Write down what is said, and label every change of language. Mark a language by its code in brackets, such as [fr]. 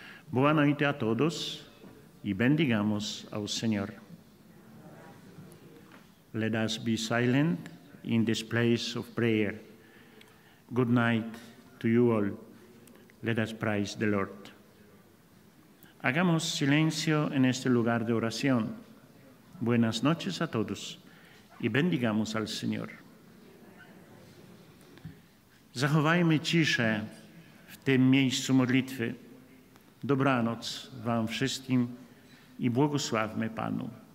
[pt] Boa noite a todos e bendigamos ao Senhor. [en] Let us be silent in this place of prayer. Good night to you all. Let us praise the Lord. [es] Hagamos silencio en este lugar de oración. Buenas noches a todos y bendigamos al Señor. [pl] Zachowajmy ciszę w tym miejscu modlitwy. Dobranoc wam wszystkim i błogosławmy Panu.